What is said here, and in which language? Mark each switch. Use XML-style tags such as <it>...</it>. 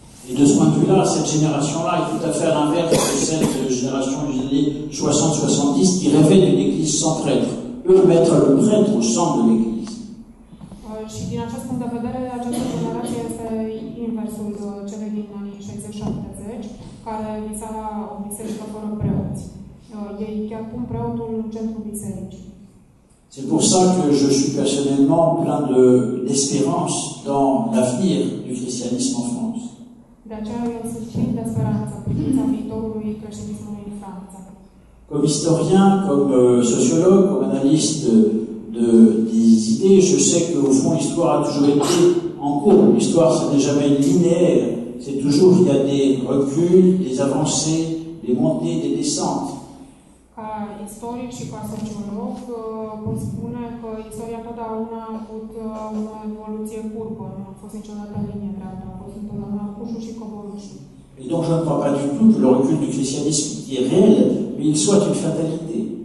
<fr>Et de ce point de vue-là, cette génération-là est tout à fait à l'inverse de cette génération des années 60-70 qui rêvait d'une église sans prêtre. Eux mettent le prêtre au centre de l'église.</fr> <ro>Și din acest punct de vedere, această generație este inversul celei din anii 60-70, care visa la o biserică fără preoți. Ei chiar pun preotul în centrul bisericii.</ro> <fr>C'est pour ça que je suis personnellement plein de d'espérance dans l'avenir du christianisme en France.</fr> <ro>De aceea eu sunt plin de speranță privința viitorului creștinismului în Franța.</ro> <fr>Comme historien, comme sociologue, comme analyste des idées, je sais qu'au fond l'histoire a toujours été en cours. L'histoire, ce n'est jamais linéaire. C'est toujours, il y a des reculs, des avancées, des montées, des descentes.</fr> <ro>Ca istoric și ca sociolog, pot spune că istoria totdeauna a avut o evoluție curbă. Nu a fost niciodată linie dreaptă. A fost întotdeauna cușuri și coborâșuri.</ro> <fr>Et donc, je ne crois pas du tout que le recul du christianisme qui est réel, mais il soit une fatalité.</fr>